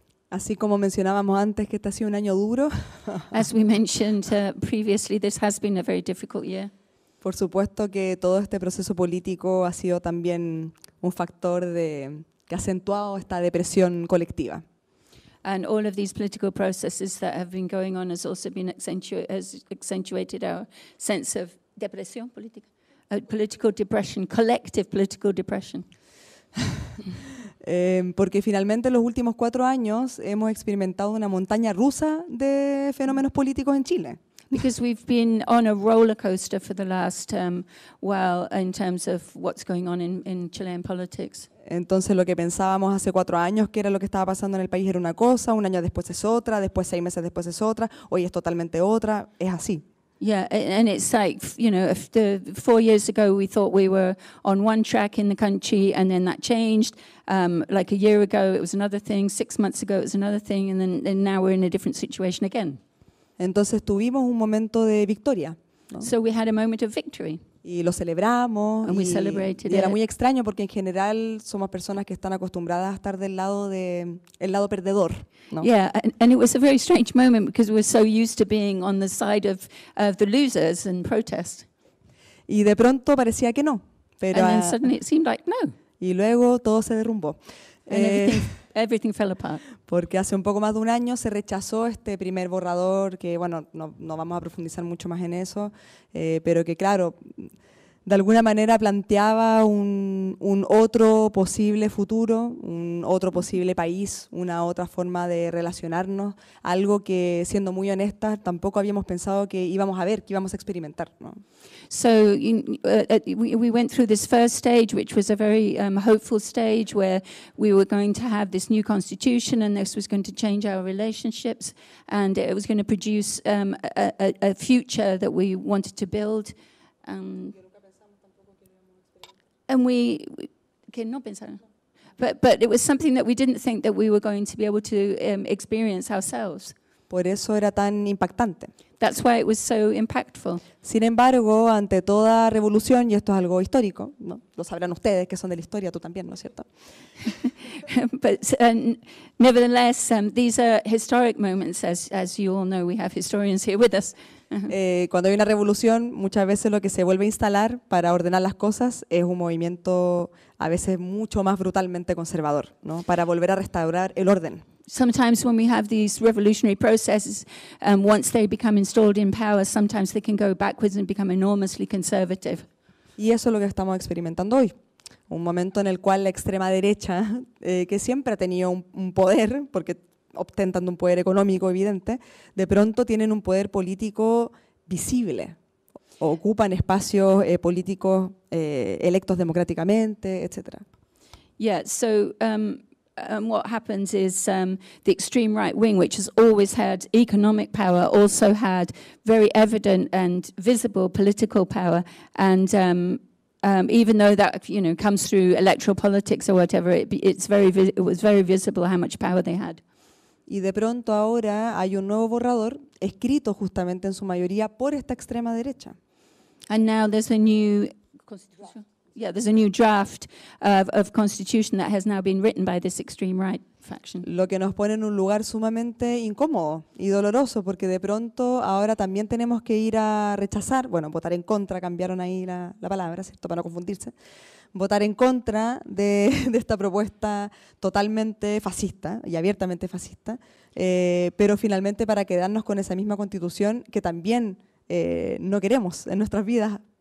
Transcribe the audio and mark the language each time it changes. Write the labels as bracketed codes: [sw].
[es] Así como mencionábamos antes que este ha sido un año duro. [en] As we mentioned previously, this has been a very difficult year. [es] Por supuesto que todo este proceso político ha sido también un factor de que ha acentuado esta depresión colectiva. [en] And all of these political processes that have been going on has also been accentuated our sense of [es] depresión política. [en] Political depression, collective political depression. [es] Porque finalmente en los últimos cuatro años hemos experimentado una montaña rusa de fenómenos políticos en Chile. [en] Because we've been on a roller coaster for the last while in terms of what's going on in Chilean politics. [es] Entonces lo que pensábamos hace cuatro años que era lo que estaba pasando en el país era una cosa, un año después es otra, después seis meses después es otra, hoy es totalmente otra, es así. [en] Yeah, and it's like, you know, if the 4 years ago we thought we were on one track in the country and then that changed, like a year ago it was another thing, 6 months ago it was another thing, and now we're in a different situation again. [es] Entonces tuvimos un momento de victoria, ¿no? [en] So we had a moment of victory. [es] Y lo celebramos. [en] And we celebrated it. [es] Era muy extraño porque en general somos personas que están acostumbradas a estar del lado de el lado perdedor, ¿no? [en] Yeah, and it was a very strange moment because we're so used to being on the side of the losers and protest. [es] Y de pronto parecía que no, pero [en] and then suddenly it seemed like no. [es] Y luego todo se derrumbó. [en] Everything fell apart. [es] Porque hace un poco más de un año se rechazó este primer borrador, que bueno, no vamos a profundizar mucho más en eso, pero que claro, de alguna manera planteaba un otro posible futuro, un otro posible país, una otra forma de relacionarnos, algo que, siendo muy honestas, tampoco habíamos pensado que íbamos a ver, que íbamos a experimentar, ¿no? [en] So we went through this first stage, which was a very hopeful stage, where we were going to have this new constitution, and this was going to change our relationships, and it was going to produce a future that we wanted to build. And we [es] que no pensaron, [en] but it was something that we didn't think that we were going to be able to experience ourselves. [es] Por eso era tan impactante. [en] That's why it was so impactful. [es] Sin embargo, ante toda revolución, y esto es algo histórico, ¿no? Lo sabrán ustedes que son de la historia, tú también, ¿no es cierto? [en] But nevertheless, these are historic moments, as you all know, we have historians here with us. [es] Cuando hay una revolución, muchas veces lo que se vuelve a instalar para ordenar las cosas es un movimiento a veces mucho más brutalmente conservador, ¿no? Para volver a restaurar el orden. [en] Sometimes when we have these revolutionary processes, once they become installed in power, sometimes they can go backwards and become enormously conservative. [es] Y eso es lo que estamos experimentando hoy. Un momento en el cual la extrema derecha, que siempre ha tenido un poder, porque ostentando un poder económico evidente, de pronto tienen un poder político visible. Ocupan espacios políticos electos democráticamente, etc. [en] Yeah, so what happens is the extreme right wing, which has always had economic power, also had very evident and visible political power. And even though that, you know, comes through electoral politics or whatever, it was very visible how much power they had. [es] y de pronto ahora hay un nuevo borrador escrito justamente en su mayoría por esta extrema derecha. [en] And now there's a new constitution. Yeah, there's a new draft of constitution that has now been written by this extreme right faction. [es] Lo que nos pone en un lugar sumamente incómodo y doloroso, porque de pronto ahora también tenemos que ir a rechazar, bueno, votar en contra, cambiaron ahí la palabra, ¿cierto? Para no confundirse. Votar en contra de esta propuesta totalmente fascista y abiertamente fascista, pero finalmente para quedarnos con esa misma constitución que también no queremos en nuestras vidas.